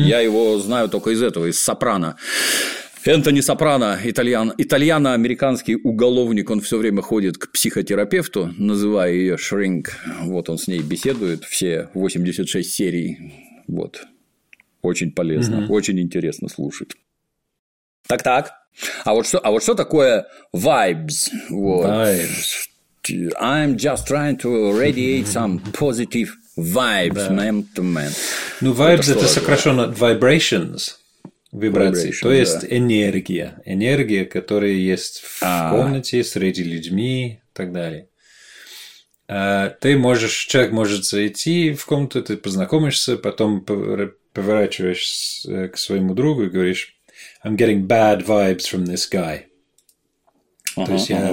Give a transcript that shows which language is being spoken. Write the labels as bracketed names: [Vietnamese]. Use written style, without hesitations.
[Russian] Я его знаю только из этого, из «Сопрано». Энтони Сопрано, итальяно-американский уголовник, он все время ходит к психотерапевту, называя ее shrink. Вот он с ней беседует все 86 серий. Вот. Очень полезно, угу. Очень интересно слушать. Так-так. А вот что такое vibes? Вот. [English] Vibes. I'm just trying to radiate some positive vibes, [Russian] да. [English] Man to man. [Russian] Ну, vibes – это сокращенно от vibrations, вибрации, то есть да. Энергия. Энергия, которая есть в комнате, среди людьми и так далее. Ты можешь, человек может зайти в комнату, ты познакомишься, потом поворачиваешься к своему другу и говоришь: [English] I'm getting bad vibes from this guy. [Russian] Uh-huh, то есть uh-huh.